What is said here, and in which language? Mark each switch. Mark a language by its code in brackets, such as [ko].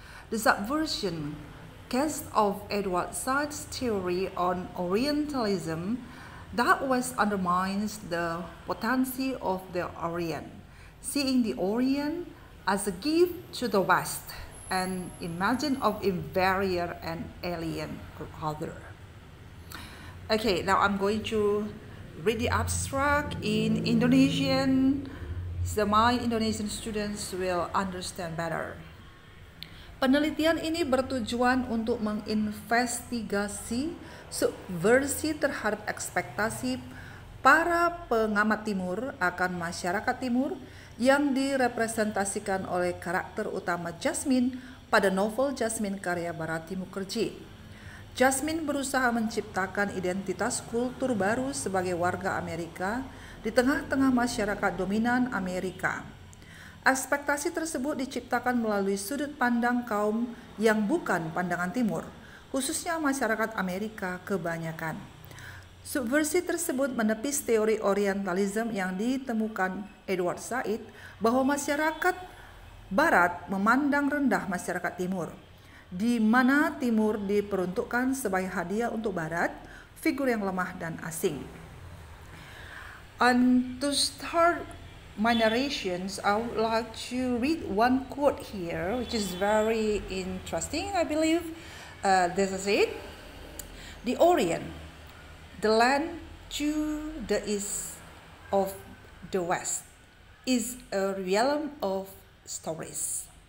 [en] The subversion cast off Edward Said's theory on Orientalism that was undermines the potency of the Orient, seeing the Orient as a gift to the West, an imagine of inferior and alien other. Okay, now I'm going to read the abstract in Indonesian, so my Indonesian students will understand better. [id] Penelitian ini bertujuan untuk menginvestigasi subversi terhadap ekspektasi para pengamat Timur akan masyarakat Timur yang direpresentasikan oleh karakter utama Jasmin pada novel Jasmin karya Bharati Mukherjee. Jasmin berusaha menciptakan identitas kultur baru sebagai warga Amerika di tengah-tengah masyarakat dominan Amerika. Ekspektasi tersebut diciptakan melalui sudut pandang kaum yang bukan pandangan Timur, khususnya masyarakat Amerika kebanyakan. Subversi tersebut menepis teori Orientalisme yang ditemukan Edward Said bahwa masyarakat Barat memandang rendah masyarakat Timur, di mana Timur diperuntukkan sebagai hadiah untuk Barat, figur yang lemah dan asing. [en] And to start my narrations, I would like to read one quote here, which is very interesting, I believe. This is it. The Orient, the land to the east of the West, is a realm of stories.